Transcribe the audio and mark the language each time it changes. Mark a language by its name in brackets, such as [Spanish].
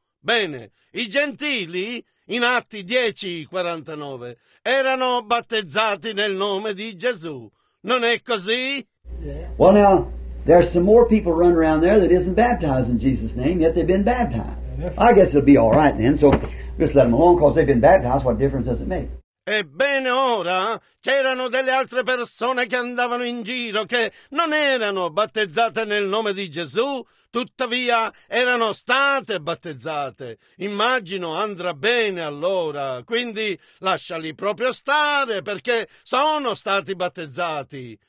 [Italian] Bene, i gentili in Atti 10:49 erano battezzati nel nome di Gesù. Non è così? [English] Well, now. There's some more people running around there that isn't baptized in Jesus' name, yet they've been baptized. I guess it'll be all right then, so just let them alone, because they've been baptized. What difference does it make? [Italian] Ebbene ora, c'erano delle altre persone che andavano in giro, che non erano battezzate nel nome di Gesù, tuttavia erano state battezzate. Immagino andrà bene allora, quindi lasciali proprio stare, perché sono stati battezzati.